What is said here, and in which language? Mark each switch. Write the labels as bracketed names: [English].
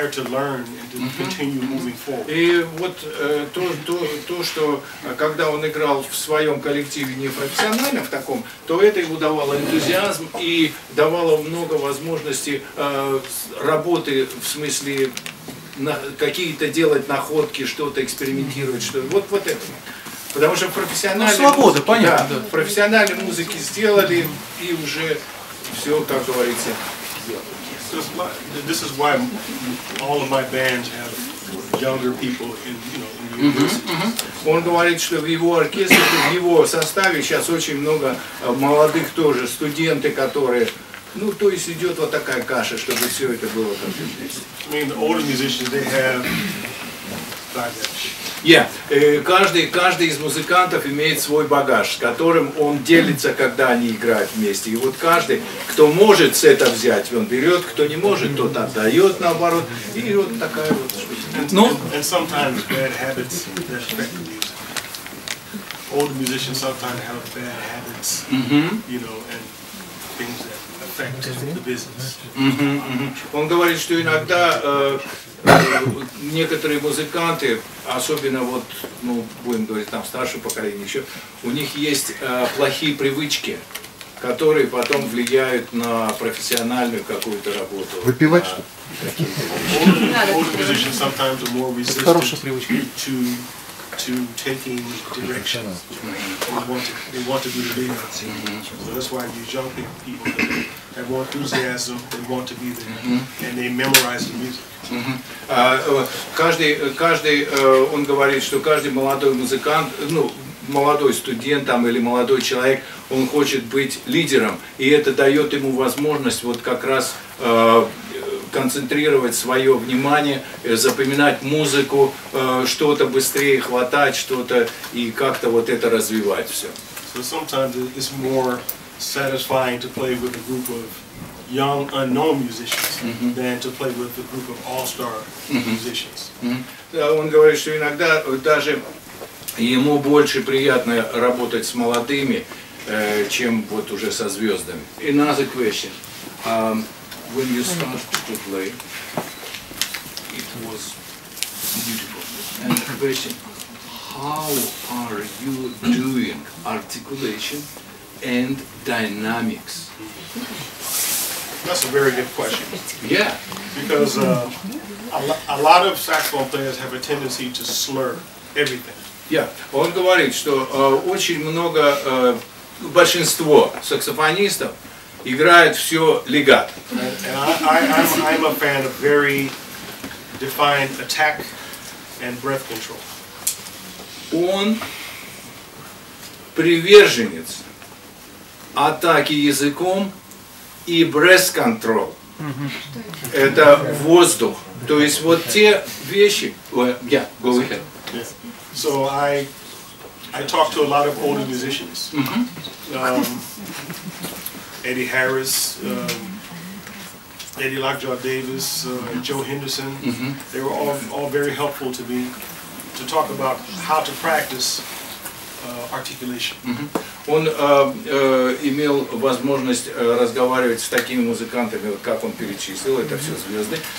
[English] The desire to learn and to continue moving forward. [Russian] И вот то, что когда он играл в своем коллективе непрофессионально в таком, то это ему давало энтузиазм и давало много возможностей работы, в смысле какие-то делать находки, что-то экспериментировать, что вот это. потому что в профессиональной, ну, свобода, музыке, понятно, да, да. В профессиональной музыке сделали и уже все, как говорится, сделали. [English] This is why all of my bands have younger people in, you know, in universities. Mm-hmm. [Russian] Он говорит, что в его оркестре, в его составе сейчас очень много молодых тоже, студенты, которые... Ну, то есть идет вот такая каша, чтобы все это было как здесь. [English] I mean, the older musicians, they have... Yeah. [Russian] Каждый из музыкантов имеет свой багаж, с которым он делится, когда они играют вместе. И вот каждый, кто может с это взять, он берет, кто не может, тот отдает наоборот. И вот такая вот штука. [English] Ну, and sometimes bad habits affect the music. Old musicians sometimes have bad habits, you know, and things that affect the business. [Russian] Он говорит, что иногда некоторые музыканты, особенно вот, ну, будем говорить, там старшее поколение еще, у них есть плохие привычки, которые потом влияют на профессиональную какую-то работу. Выпивать, что ли? Это хорошая привычка. [English] To taking directions, they want to do the big ones. So that's why you jump in people that have more enthusiasm, they want to be there, and they memorize the music. [Russian] Он говорит, что каждый молодой музыкант, ну, молодой студент там или молодой человек, он хочет быть лидером, и это дает ему возможность вот как раз концентрировать свое внимание, запоминать музыку, что-то быстрее хватать, что-то и как-то вот это развивать все. [English] So sometimes it's more satisfying to play with a group of young unknown musicians than to play with a group of all-star musicians. [Russian] Он говорит, что иногда даже ему больше приятно работать с молодыми, чем вот уже со звездами. [English] Another question. When you started to play, it was beautiful. And the question, how are you doing articulation and dynamics? That's a very good question. Yeah. Because a lot of saxophone players have a tendency to slur everything. Yeah. [Russian] Он говорит, что очень много, большинство саксофонистов играет все легат. [English] I'm a fan of very defined attack and breath control. [Russian] Он приверженец атаки языком и breath control. Это воздух. То есть вот те вещи... [English] Well, yeah, go ahead. So I talk to a lot of older musicians. Eddie Harris, Eddie Lockjaw Davis, Joe Henderson. They were all very helpful to me to talk about how to practice articulation. [Russian] Он имел возможность разговаривать с такими музыкантами, как он перечислил, это все звезды.